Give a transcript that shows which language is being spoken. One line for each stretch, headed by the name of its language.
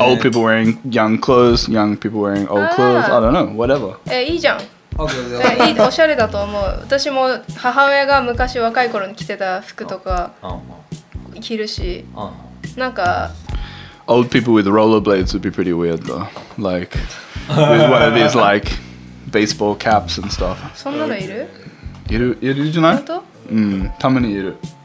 English: Old people wearing young people wearing old clothes, I don't know, whatever.
Japanese: いいじゃん。おしゃれだと思う。私も母親が昔若い頃に着てた服とか着るし、なんか...
English: Old people with rollerblades would be pretty weird though. Like, with one of these like, baseball caps and stuff.
Japanese: そんなのいる?いるじゃない?本当?うん、たまにいる。